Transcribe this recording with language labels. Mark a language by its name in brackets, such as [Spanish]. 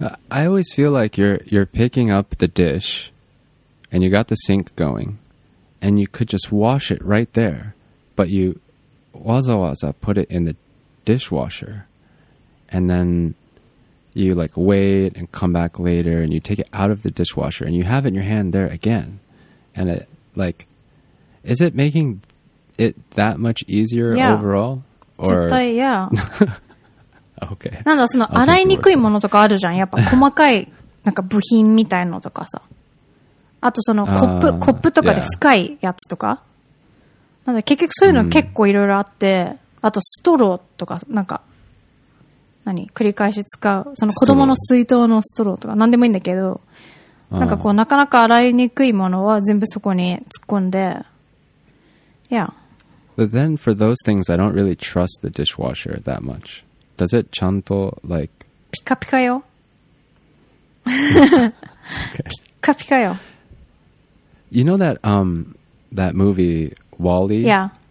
[English] I always feel like you're picking up the dish and you got the sink going and you could just wash it right there, but you [Japanese] わざわざ [English] put it in the dishwasher and then you like wait and come back later and you take it out of the dishwasher and you have it in your hand there again. And it like, is it making it that much easier overall? Or... [Japanese] 絶対 [English] yeah. Okay. [Japanese] なんだその洗いにくいものとかあるじゃん、やっぱ細かいなんか部品みたいのとかさ、あとそのコップとかで深いやつとか、なんだ結局そういうの結構いろいろあって、あとストローとかなんか何繰り返し使うその子供の水筒のストローとか何でもいいんだけど、なんかこうなかなか洗いにくいものは全部そこに突っ込んで、yeah. [English] But then for those things, I don't really trust the dishwasher that much. Does it [Japanese] ちゃんと [English] like [Japanese] ピカピカよ。 [English] Okay. [Japanese] ピカピカよ。 [English] You know that that movie Wall-E? Yeah.